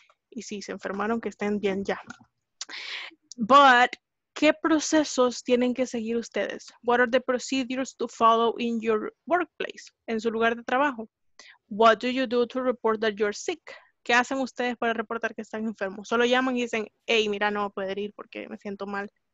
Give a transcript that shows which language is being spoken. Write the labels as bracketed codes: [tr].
[es] Y si se enfermaron, que estén bien ya. But, ¿qué procesos tienen que seguir ustedes? [en] What are the procedures to follow in your workplace? [es] En su lugar de trabajo. [en] What do you do to report that you're sick? [es] ¿Qué hacen ustedes para reportar que están enfermos? Solo llaman y dicen, hey, mira, no voy a poder ir porque me siento mal.